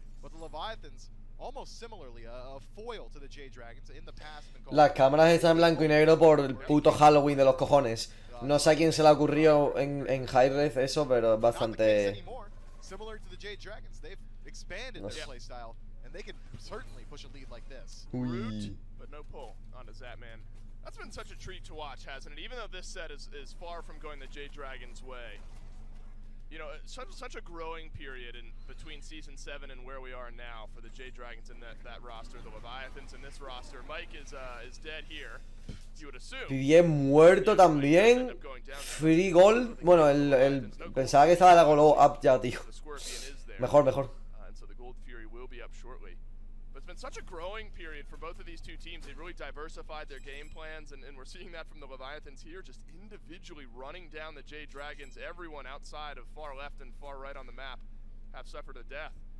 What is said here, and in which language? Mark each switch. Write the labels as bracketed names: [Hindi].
[English] But the Leviathans, almost similarly, a foil to the Jade Dragons in the past. [Spanish] Las cámaras están en blanco y negro por el puto Halloween de los cojones. No sé a quién se le ocurrió en hi-rez eso, pero es bastante. [English] Similar to the Jade Dragons, they've expanded their play style, and they could certainly push a lead like this. Root, but no pull on the Zatman. That's been such a treat to watch, hasn't it? Even though this set is far from going the Jade Dragon's way. You know, such a growing period in between Season 7 and where we are now for the Jade Dragons in that roster. The Leviathans in this roster. Mike is dead here, you would assume. [Spanish] Pidié muerto también. Free gold. Bueno, el pensaba que estaba la gold up ya, tío. Mejor. [English] And so the gold fury will be up shortly. It's been such a growing period for both of these two teams. They've really diversified their game plans, and we're seeing that from the Leviathans here, just individually running down the Jade Dragons. Everyone outside of far left and far right on the map have suffered a death.